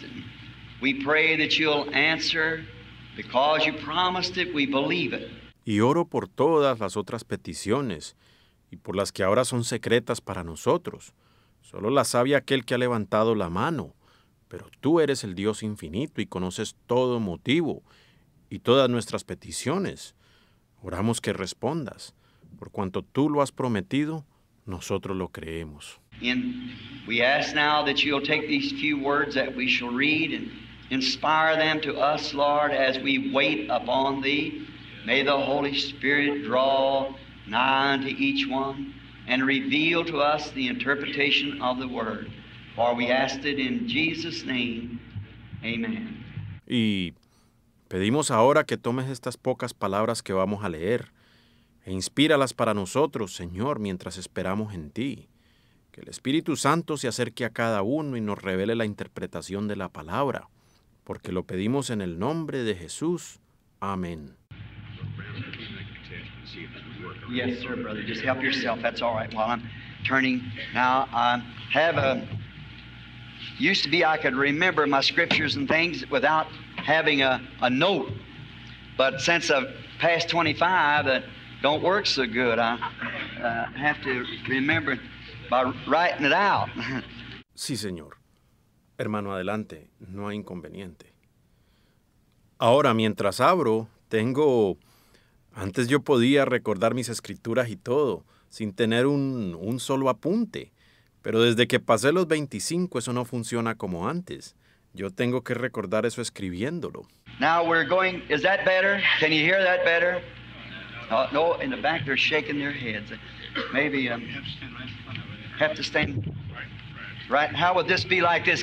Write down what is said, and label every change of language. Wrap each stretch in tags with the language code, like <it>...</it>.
<en>And we pray that you'll answer. Because you promised it, we believe it.</en> <es>Y oro por todas las otras peticiones y por las que ahora son secretas para nosotros. Solo las sabe aquel que ha levantado la mano. Pero tú eres el Dios infinito y conoces todo motivo y todas nuestras peticiones. Oramos que respondas. Por cuanto tú lo has prometido, nosotros lo creemos.</es> <en>And we ask now that you'll take these few words that we shall read and inspire them to us, Lord, as we wait upon thee. May the Holy Spirit draw nigh unto each one and reveal to us the interpretation of the word. For we ask it in Jesus' name. Amen.</en> <es>Y pedimos ahora que tomes estas pocas palabras que vamos a leer e inspíralas para nosotros, Señor, mientras esperamos en ti. Que el Espíritu Santo se acerque a cada uno y nos revele la interpretación de la palabra. Porque lo pedimos en el nombre de Jesús. Amén.</es> <en>Yes, sir, brother. Just help yourself. That's all right. While I'm turning now, I have a Used to be I could remember my scriptures and things without having a note. But since I've passed 25, that don't work so good. I have to remember by writing it out.</en> <es>Sí, señor. Hermano, adelante. No hay inconveniente. Ahora, mientras abro, tengo... Antes yo podía recordar mis escrituras y todo, sin tener un solo apunte. Pero desde que pasé los 25, eso no funciona como antes. Yo tengo que recordar eso escribiéndolo.</es> <en>Now we're going, is that better? Can you hear that better? No, in the back they're shaking their heads. Maybe have to stand right. How would this be like this?</en>